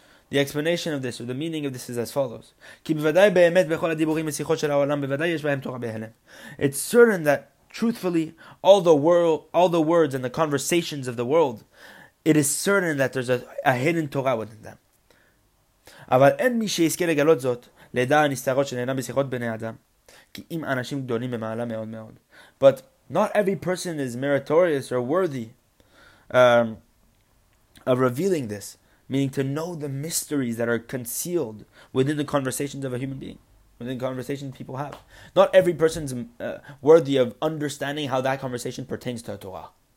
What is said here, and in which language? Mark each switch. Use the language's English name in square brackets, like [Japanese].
[English] The explanation of this, or the meaning of this, is as follows. It's certain that truthfully, all the words and the conversations of the world, it is certain that there's a hidden Torah within them. [Hebrew] אבל אין מי שיזכה לגלות זאת לדע הנסתרות שנהנה בשיחות בני אדם, כי אם אנשים גדולים במעלה מאוד מאוד. [English] But not every person is meritorious or worthy of revealing this, meaning to know the mysteries that are concealed within the conversations of a human being. Within the conversations people have. Not every person's worthy of understanding how that conversation pertains to a Torah.